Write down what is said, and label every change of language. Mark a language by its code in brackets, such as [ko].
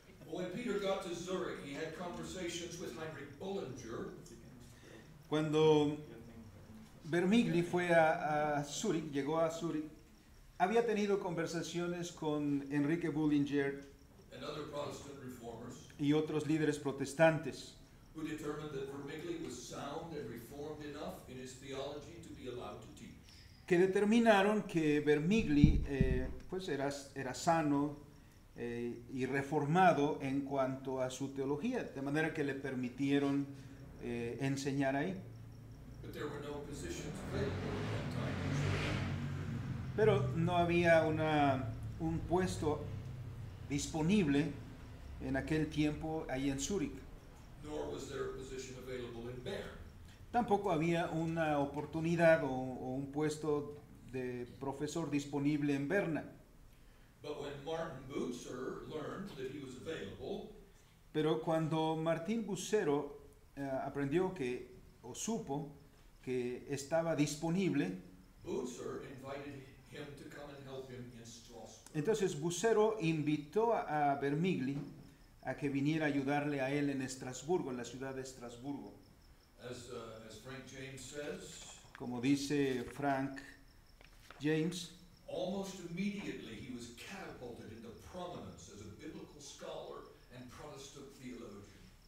[en] When Peter got to Zurich, he had conversations with Heinrich Bullinger. [es] Cuando Bermigli fue a Zurich, llegó a Zurich, había tenido conversaciones con Enrique Bullinger [en] and other Protestant reformers, [es] y otros líderes protestantes, [en] who determined that Vermigli was sound and reformed enough in his theology to be allowed to teach. [es] Que determinaron que Vermigli pues era sano y reformado en cuanto a su teología, de manera que le permitieron enseñar ahí. [en] But there were no positions available at that time. [es] Pero no había un puesto disponible en aquel tiempo ahí en Zurich. [en] Nor was there a position available in Bern. [es] Tampoco había una oportunidad o un puesto de profesor disponible en Berna. [en] But when Martin Bucer learned that he was available, [es] pero cuando Martín Bucero aprendió que o supo que estaba disponible, [en] Bucer invited him to come and help him in Strasbourg. [es] Entonces Bucero invitó a Vermigli a que viniera a ayudarle a él en Estrasburgo, en la ciudad de Estrasburgo. [en] As Frank James says, [es] como dice Frank James, [en] almost immediately he was catapulted into prominence as a biblical scholar and Protestant theologian.